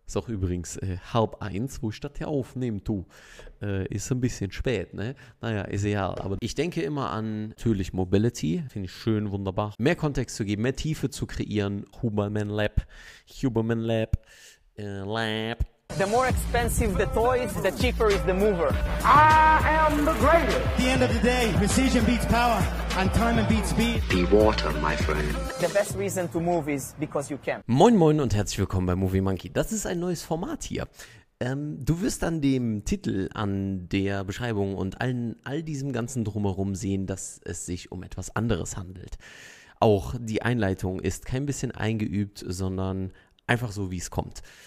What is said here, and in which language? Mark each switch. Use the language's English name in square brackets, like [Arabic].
[German] Ist auch übrigens halb eins, wo ich das ja aufnehme, du. Ist ein bisschen spät, ne? Naja, ist ja. Aber ich denke immer an natürlich Mobility. Finde ich schön, wunderbar. Mehr Kontext zu geben, mehr Tiefe zu kreieren. [English] Huberman Lab. Lab. The more expensive the toys, the cheaper is the mover. I am the greatest. At the end of the day, precision beats power, and time beats speed. Be water, my friend. The best reason to move is because you can. [German] Moin moin und herzlich willkommen bei Movie Monkey. Das ist ein neues Format hier. Du wirst an dem Titel, an der Beschreibung und all diesem ganzen Drumherum sehen, dass es sich um etwas anderes handelt. Auch die Einleitung ist kein bisschen eingeübt, sondern einfach so, wie es kommt.